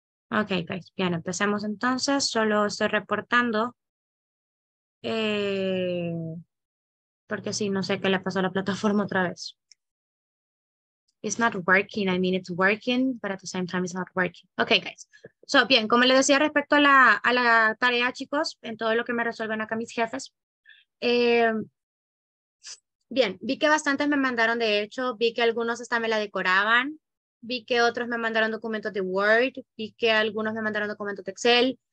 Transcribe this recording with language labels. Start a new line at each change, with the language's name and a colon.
English: Ok, guys.
Spanish: Bien, empecemos entonces. Solo estoy reportando. Porque sí, no sé qué le pasó a la plataforma otra vez.
English: It's not working. I mean, it's working, but at the same time, it's not working. Okay, guys.
Spanish: So, bien, como les decía respecto a la tarea, chicos, en todo lo que me resuelven acá mis jefes. Bien, vi que bastantes me mandaron, de hecho, vi que algunos hasta me la decoraban. Vi que otros me mandaron documentos de Word. Vi que algunos me mandaron documentos de Excel.